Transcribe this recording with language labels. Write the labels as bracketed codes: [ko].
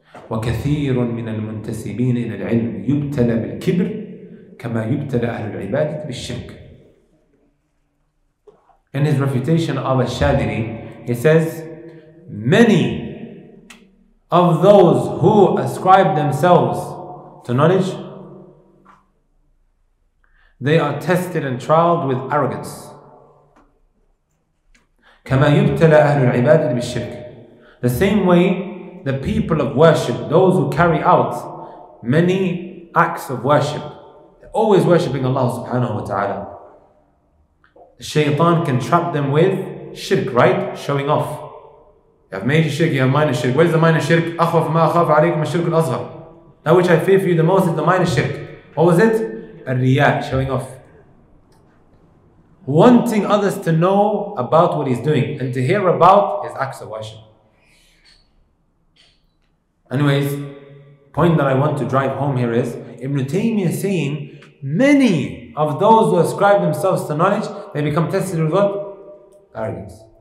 [ar] وكثير من المنتسبين إلى العلم يبتلى بالكبر كما يبتلى أهل العبادة بالشرك. [en] In his refutation of al-Shadiri, he says, many of those who ascribe themselves to knowledge, they are tested and trialed with arrogance. [ar] كما يبتلى أهل العبادة بالشرك. [en] The same way the people of worship, those who carry out many acts of worship, they're always worshipping Allah subhanahu wa ta'ala. The shaytan can trap them with shirk, right? Showing off. You have major shirk, you have minor shirk. Where's the minor shirk? [ar] أخوف ما أخاف عليكم الشرك الأصغر. [en] That which I fear for you the most is the minor shirk. What was it? الرياء, showing off. Wanting others to know about what he's doing and to hear about his acts of worship. Anyways, point that I want to drive home here is Ibn Taymiyyah saying many of those who ascribe themselves to knowledge, they become tested with what? Arrogance.